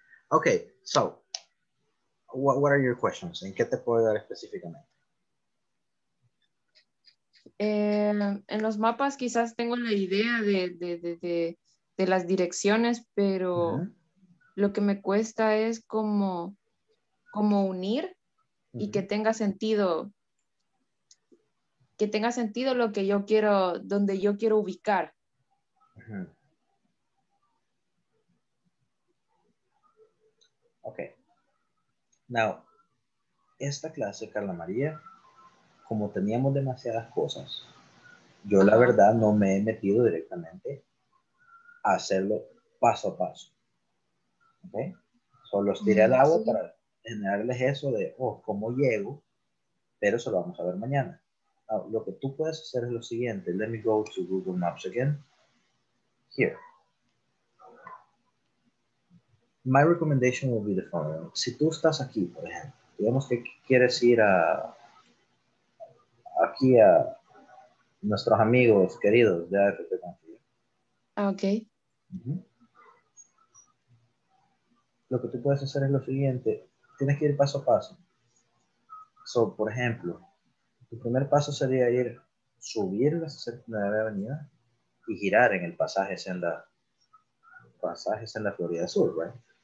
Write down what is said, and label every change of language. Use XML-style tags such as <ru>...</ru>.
<en>Okay, so what are your questions?</en> <es>¿En qué te puedo dar específicamente? En los mapas quizás tengo la idea de las direcciones, pero lo que me cuesta es como unir y que tenga sentido lo que yo quiero, donde yo quiero ubicar. Okay. Now, esta clase, Carla María, como teníamos demasiadas cosas, yo la verdad no me he metido directamente a hacerlo paso a paso. Okay? Solo estiré al agua para generarles eso de, oh, ¿cómo llego? Pero eso lo vamos a ver mañana. Now, lo que tú puedes hacer es lo siguiente.</es> <en>Let me go to Google Maps again. Here. My recommendation will be the following.</en> <es>Si tú estás aquí, por ejemplo, digamos que quieres ir aquí a nuestros amigos queridos de AFP Confío. Ok. Lo que tú puedes hacer es lo siguiente. Tienes que ir paso a paso. So, por ejemplo, tu primer paso sería ir subir la 69 avenida y girar en el pasaje senda Florida Sur, ¿verdad? Right?</es>